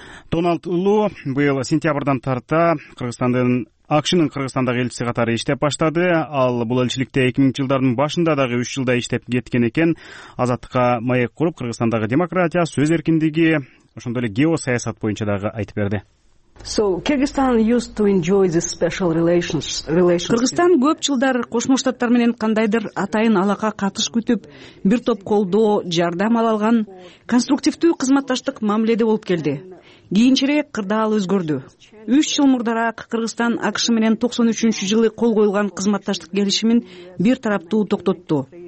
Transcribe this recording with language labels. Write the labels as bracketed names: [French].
[Kyrgyz] Дональд Лоо быйыл сентябрдан тарта Кыргызстандын АКШ'нын Кыргызстандагы элчиси катары иштеп баштады. Ал бул элчиликте 2000 жылдардын башында дагы 3 жылдай иштеп кеткен экен. Азаттыкка маек куруп, Кыргызстандагы демократия, сөз эркиндиги, ошондой эле геосаясат боюнча дагы айтып берди. [English] So Kyrgyzstan used to enjoy this special relations. [Kyrgyz] Кыргызстан көп жылдар Кошмо Штаттар менен кандайдыр атайын алака катыш күтүп, бир топ колдоо, жардам ала алган конструктивдүү кызматташтык мамиледе болуп келди. Кийинчерээк кырдаал өзгөрдү. 3 жыл мурдараак Кыргызстан АКШ менен 93-жү жылы кол коюлган кызматташтык келишимин бир тараптуу токтотту.